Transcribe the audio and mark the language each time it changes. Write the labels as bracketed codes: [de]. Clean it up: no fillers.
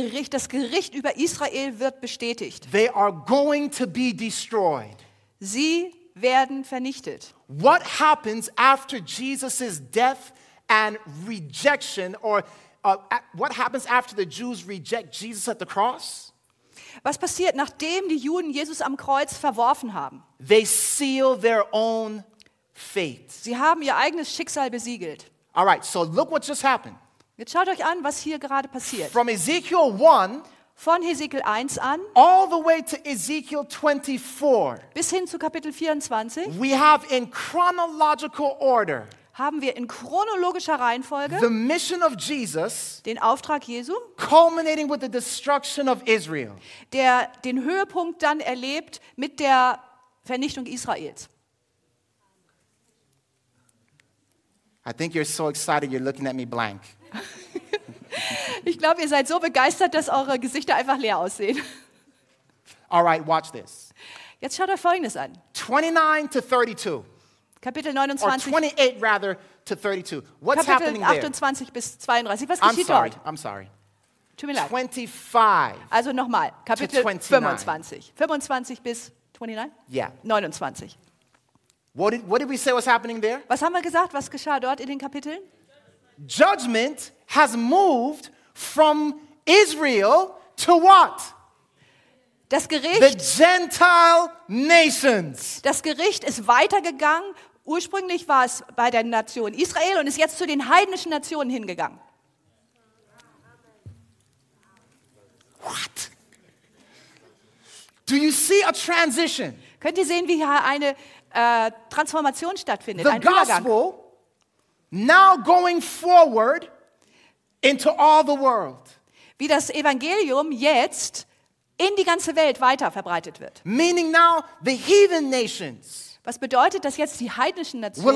[de] Das Gericht über Israel wird bestätigt. [en] They are going to be destroyed. [de] Sie werden vernichtet. [en] What happens after Jesus' death and rejection or what happens after the Jews reject Jesus at the cross? [de] Was passiert, nachdem die Juden Jesus am Kreuz verworfen haben? [en] They seal their own fate. [de] Sie haben ihr eigenes Schicksal besiegelt. [en] All right, so look what just happened. [de] Jetzt schaut euch an, was hier gerade passiert. [en] From Ezekiel 1, [de] von Ezekiel 1 an, [en] all the way to Ezekiel 24, [de] bis hin zu Kapitel 24, [en] we have in chronological order, [de] haben wir in chronologischer Reihenfolge [en] the mission of Jesus, [de] den Auftrag Jesu, [en] culminating with the destruction of Israel, [de] der den Höhepunkt dann erlebt mit der Vernichtung Israels. [en] I think you're so excited you're looking at me blank. [de] Ich glaube, ihr seid so begeistert, dass eure Gesichter einfach leer aussehen. [en] All right, watch this. [de] Jetzt schaut euch Folgendes an. [en] 29 to 32. [de] Kapitel 29. [en] Or 28 rather to 32. What's [de] Kapitel [en] happening there? [de] Kapitel 28 bis 32. Was geschieht dort? [en] I'm sorry. [de] Tut mir leid. [en] 25. [de] Also nochmal. Kapitel 25. 25 bis 29? [en] Yeah. 29. What did we say was happening there? [de] Was haben wir gesagt? Was geschah dort in den Kapiteln? [en] Judgment has moved from Israel to what? [de] Das Gericht, [en] the Gentile nations. [de] Das Gericht ist weitergegangen. Ursprünglich war es bei der Nation Israel und ist jetzt zu den heidnischen Nationen hingegangen. [en] What? Do you see a transition? [de] Könnt ihr sehen, wie hier eine Transformation stattfindet? [en] The [de] ein [en] gospel [de] Übergang. [en] Now going forward into all the world. [de] Wie das Evangelium jetzt in die ganze Welt weiter verbreitet wird. [en] Meaning now the heathen nations. [de] Was bedeutet, dass jetzt die heidnischen Nationen